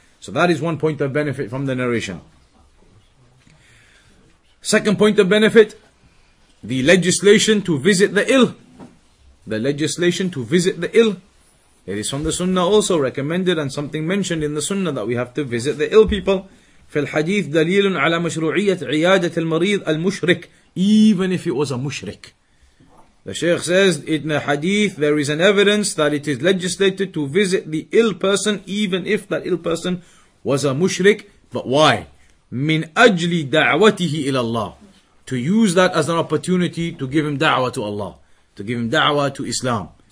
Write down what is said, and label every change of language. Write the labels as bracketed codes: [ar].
[en] So that is one point of benefit from the narration. Second point of benefit, the legislation to visit the ill. The legislation to visit the ill. It is from the sunnah also recommended and something mentioned in the sunnah that we have to visit the ill people. [ar] في الحديث دليل على مشروعية عيادة المريض المشرك. [en] Even if it was a mushrik. The Shaykh says in the hadith there is an evidence that it is legislated to visit the ill person even if that ill person was a mushrik. But why? [ar] من أجل دعوته إلى الله. [en] To use that as an opportunity to give him da'wah to Allah. To give him da'wah to Islam.